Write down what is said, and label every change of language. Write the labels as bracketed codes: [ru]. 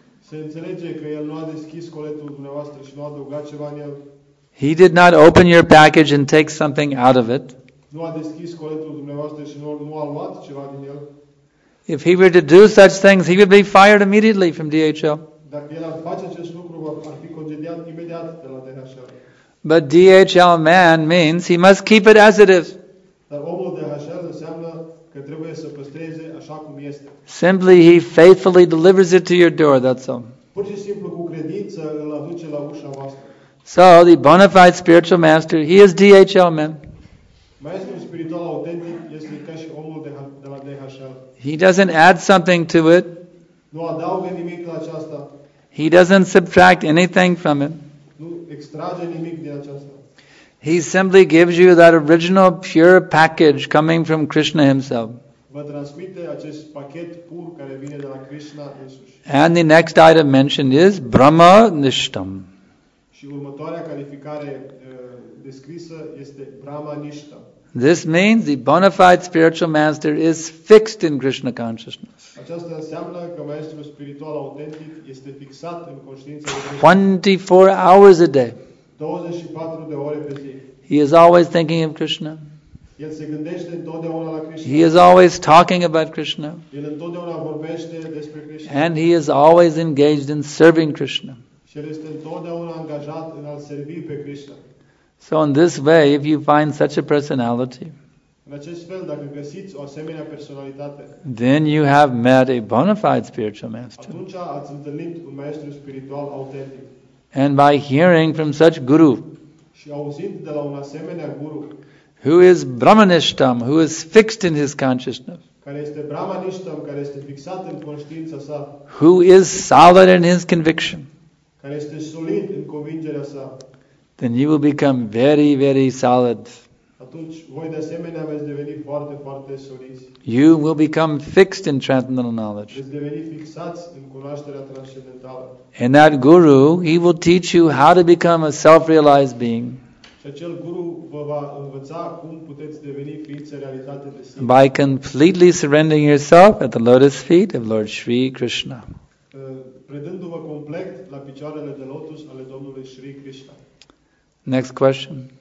[ro] Se înțelege că el nu a deschis coletul dumneavoastră și nu a adăugat ceva în el. [en] He did not open your package and take something out of it. [ro] Nu a deschis coletul dumneavoastră și nu a luat ceva din el. [en] If he were to do such things, he would be fired immediately from DHL. [ro] Dacă el ar face acest lucru, ar fi concediat imediat de la DHL. [en] But DHL man means he must keep it as it is. [ro] Dar omul DHL înseamnă că trebuie să păstreze așa cum este. [en] Simply he faithfully delivers it to your door, that's all. [ro] Pur și simplu cu credință îl aduce la ușa voastră. [en] So the bona fide spiritual master, he is DHL man. [ro] Maestrul spiritual autentic este ca și omul de la DHL. [en] He doesn't add something to it. [ro] Nu adaugă nimic la aceasta. [en] He doesn't subtract anything from it. [ro] Nu extrage nimic din aceasta. [en] He simply gives you that original pure package coming from Krishna himself. [ro] Vă transmite acest pachet pur care vine de la Krishna însuși. [en] And the next item mentioned is Brahma Nishtam. [ro] Și următoarea calificare descrisă este Brahma Nishtam. [en] This means the bona fide spiritual master is fixed in Krishna consciousness. [ro] Aceasta înseamnă că maestrul spiritual autentic este fixat în conștiința de Krishna. [en] 24 hours a day. [ro] 24 de ore pe zi. [en] He is always thinking of Krishna. [ro] El se gândește întotdeauna la Krishna. [en] He is always talking about Krishna. [ro] El întotdeauna vorbește despre Krishna. [en] And he is always engaged in serving Krishna. [ro] Și el este întotdeauna angajat în a-l servi pe Krishna. [en] So in this way, if you find such a personality, [ro] în acest fel, dacă găsiți o asemenea personalitate, [en] then you have met a bona fide spiritual master. [ro] Atunci ați întâlnit un maestru spiritual autentic. [en] And by hearing from such guru, [ro] și auzind de la un asemenea guru, [en] who is Brahmanishtam, who is fixed in his consciousness, [ro] care este Brahmanishtam, care este fixat în conștiința sa, [en] who is solid in his conviction, [ro] care este solid în convingerea sa, [en] then you will become very, very solid. [ro] Atunci, voi de asemenea veți deveni foarte, foarte solizi. [en] You will become fixed in transcendental knowledge. [ro] Veți deveni fixați în cunoașterea transcendentală. [en] And that guru, he will teach you how to become a self-realized being. [ro] Și acel guru vă va învăța cum puteți deveni ființă realitate de sine. [en] By completely surrendering yourself at the lotus feet of Lord Sri Krishna. [ro] Predându-vă complet la picioarele de lotus ale Domnului Sri Krishna. [en] Next question.